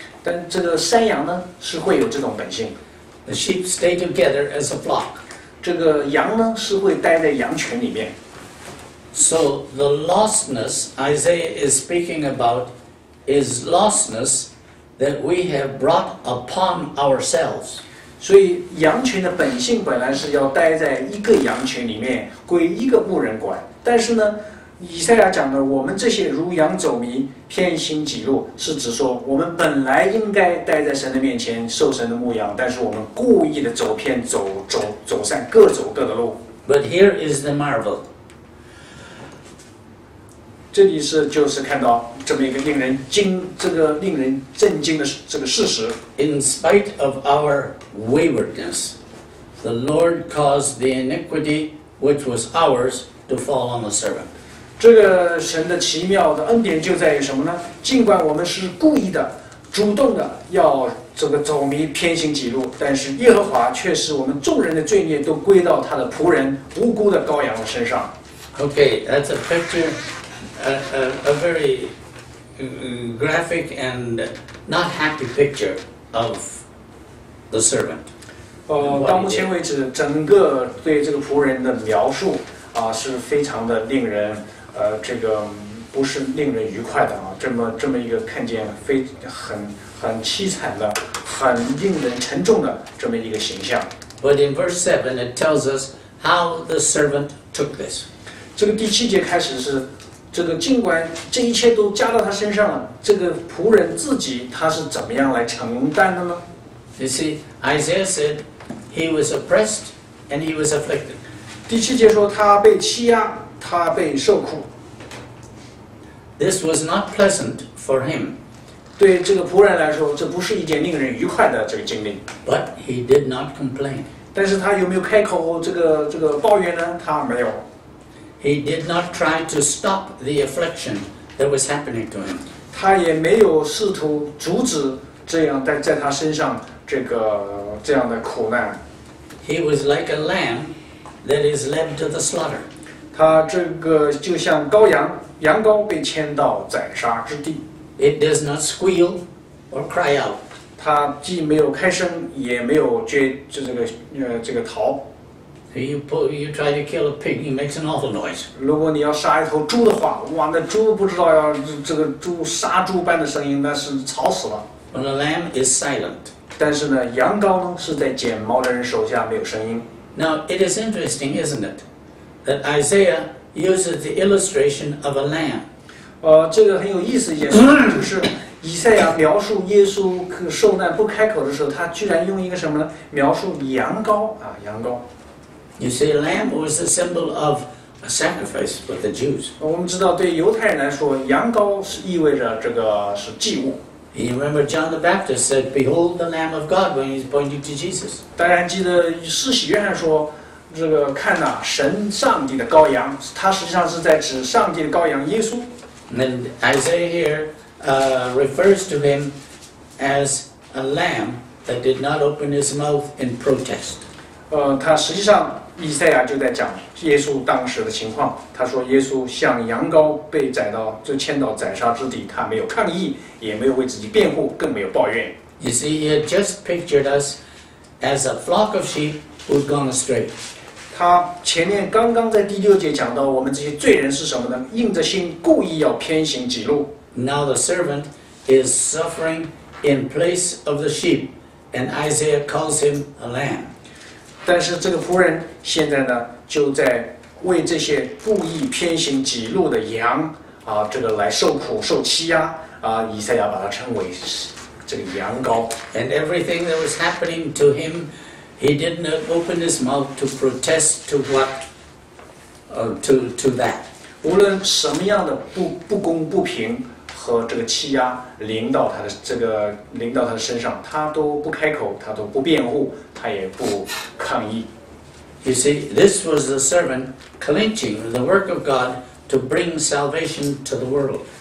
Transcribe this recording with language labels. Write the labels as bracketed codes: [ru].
[zh] 但这个山羊呢，是会有这种本性。 [en] The sheep stay together as a flock. [zh] 这个羊呢，是会待在羊群里面。 [en] So the lostness Isaiah is speaking about is lostness that we have brought upon ourselves. [zh] 所以羊群的本性本来是要待在一个羊群里面，归一个牧人管。但是呢，以赛亚讲的我们这些如羊走迷偏心己路，是指说我们本来应该待在神的面前受神的牧养，但是我们故意的走偏走散，各走各的路。 [en] But here is the marvel. [zh] 这里是就是看到这么一个令人惊这个令人震惊的这个事实。 [en] In spite of our waywardness, the Lord caused the iniquity which was ours to fall on the servant. [zh] 这个神的奇妙的恩典就在于什么呢？尽管我们是故意的、主动的要这个走迷偏行己路，但是耶和华却使我们众人的罪孽都归到他的仆人无辜的羔羊身上。 [en] Okay, that's a picture, a very graphic and not happy picture of the servant. [zh] 到目前为止，整个对这个仆人的描述啊，是非常的令人。这个不是令人愉快的啊，这么一个看见非很凄惨的、很令人沉重的这么一个形象。 [en] But in verse 7, it tells us how the servant took this. [zh] 这个第七节开始是，这个尽管这一切都加到他身上了，这个仆人自己他是怎么样来承担的呢 [en] ？You see, Isaiah said he was oppressed and he was afflicted. [zh] 第七节说他被欺压。他被受苦。 [en] This was not pleasant for him. [zh] 对这个仆人来说，这不是一件令人愉快的这个经历。 [en] But he did not complain. [zh] 但是他有没有开口这个抱怨呢？他没有。 [en] He did not try to stop the affliction that was happening to him. [zh] 他也没有试图阻止这样在他身上这样的苦难。 [en] He was like a lamb that is led to the slaughter. [zh] 他这个就像羔羊，羊羔被牵到宰杀之地。 [en] It does not squeal or cry out. [zh] 他既没有开声，也没有逃。 [en] You try to kill a pig, he makes an awful noise. [zh] 如果你要杀一头猪的话，哇，那猪不知道要杀猪般的声音，那是吵死了。 [en] When a lamb is silent. [zh] 但是呢，羊羔呢是在剪毛的人手下没有声音。 [en] Now it is interesting, isn't it? That Isaiah uses the illustration of a lamb. [zh] 这个很有意思一件事，就是以赛亚描述耶稣受难不开口的时候，他居然用一个什么呢？描述羊羔啊，羊羔。 [en] You see, lamb was a symbol of a sacrifice for the Jews. [zh] 我们知道，对犹太人来说，羊羔是意味着这个是祭物。 [en] You remember John the Baptist said, "Behold the Lamb of God," when he's pointing to Jesus. [zh] 大家记得施洗约翰说。这个看哪、啊，神上帝的羔羊，他实际上是在指上帝的羔羊耶稣。 [en] And Isaiah here, refers to him as a lamb that did not open his mouth in protest. [zh] 他实际上以赛亚就在讲耶稣当时的情况。他说耶稣像羊羔被宰到，就牵到宰杀之地，他没有抗议，也没有为自己辩护，更没有抱怨。 [en] You see, he had just pictured us as a flock of sheep who'd gone astray. [zh] 他前面刚刚在第六节讲到我们这些罪人是什么呢？硬着心故意要偏行己路。 [en] Now the servant is suffering in place of the sheep, and Isaiah calls him a lamb. [zh] 但是这个仆人现在呢，就在为这些故意偏行己路的羊啊，这个来受苦受欺压啊，以赛亚把他称为这个羊羔。 [en] And everything that was happening to him. He did not open his mouth to protest to what, to that. [zh] 无论什么样的不公不平和这个欺压临到他的这个临到他的身上，他都不开口，他都不辩护，他也不抗议。 [en] You see, this was the servant clinching the work of God to bring salvation to the world.